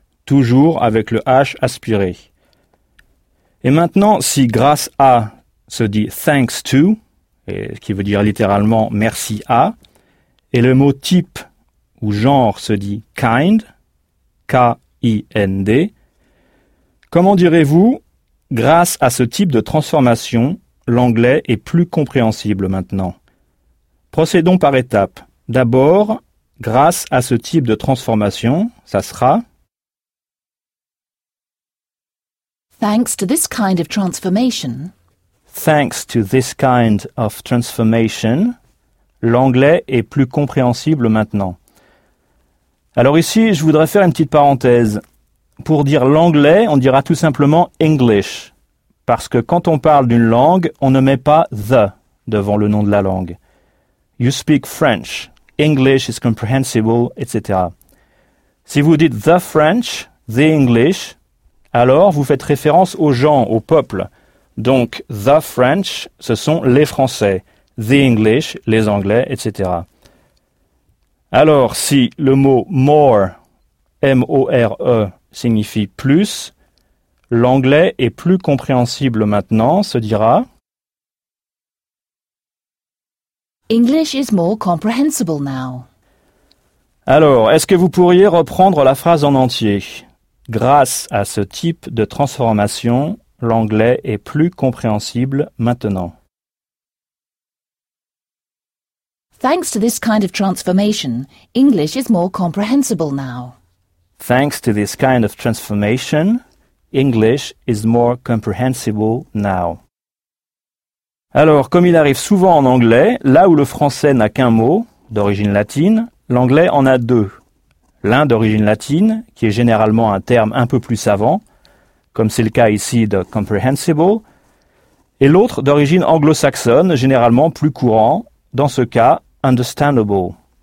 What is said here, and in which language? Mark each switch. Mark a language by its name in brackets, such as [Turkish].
[French] Toujours avec le H aspiré. Et maintenant, si « grâce à » se dit « [English] thanks to [French] », qui veut dire littéralement « merci à », et le mot « type » ou « genre » se dit « kind », K-I-N-D, comment direz-vous, grâce à ce type de transformation, l'anglais est plus compréhensible maintenant? Procédons par étapes. D'abord, grâce à ce type de transformation, ça sera... [English] Thanks to this kind of transformation. Thanks to this kind of transformation. [French] L'anglais est plus compréhensible maintenant. Alors ici, je voudrais faire une petite parenthèse. Pour dire l'anglais, on dira tout simplement English. Parce que quand on parle d'une langue, on ne met pas the devant le nom de la langue. [English] You speak French. English is comprehensible, etc. [French] Si vous dites [English] the French, the English, [French] alors vous faites référence aux gens, au peuple. Donc, [English] the French, [French] ce sont les Français. [English] The English, [French] les Anglais, etc. Alors, si le mot more, M-O-R-E, signifie plus, l'anglais est plus compréhensible maintenant, se dira... [English] English is more comprehensible now. [French] Alors, est-ce que vous pourriez reprendre la phrase en entier? Grâce à ce type de transformation, l'anglais est plus compréhensible maintenant. [English] Thanks to this kind of transformation, English is more comprehensible now. Thanks to this kind of transformation, English is more comprehensible now. [French] Alors, comme il arrive souvent en anglais, là où le français n'a qu'un mot, d'origine latine, l'anglais en a deux. L'un d'origine latine, qui est généralement un terme un peu plus savant, comme c'est le cas ici de comprehensible, et l'autre d'origine anglo-saxonne, généralement plus courant, dans ce cas, understandable.